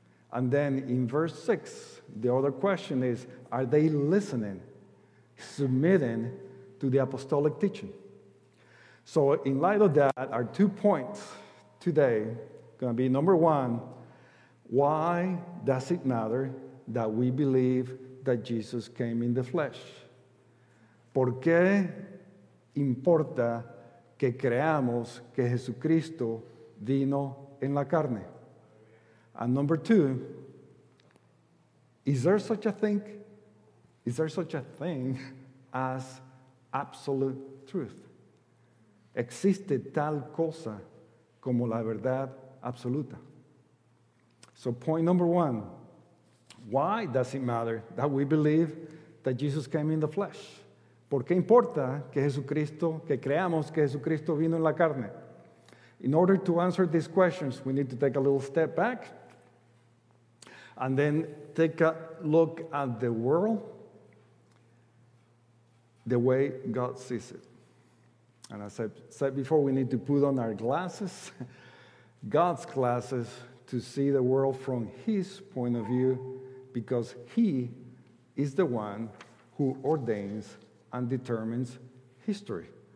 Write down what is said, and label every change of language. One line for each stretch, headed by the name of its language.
English: And then in verse 6, the other question is, are they listening, submitting to the apostolic teaching? So in light of that, our two points today are going to be, number one, why does it matter that we believe that Jesus came in the flesh?
Spanish: ¿Por qué importa que creamos que Jesucristo vino en la carne?
English: And number two, is there such a thing as absolute truth?
Spanish: ¿Existe tal cosa como la verdad absoluta?
English: So point number one, why does it matter that we believe that Jesus came in the flesh?
Spanish: ¿Por qué importa que Jesucristo, que creamos que Jesucristo vino en la carne?
English: In order to answer these questions, we need to take a little step back and then take a look at the world the way God sees it. And as I said before, we need to put on our glasses, God's glasses, to see the world from his point of view, because he is the one who ordains and determines history.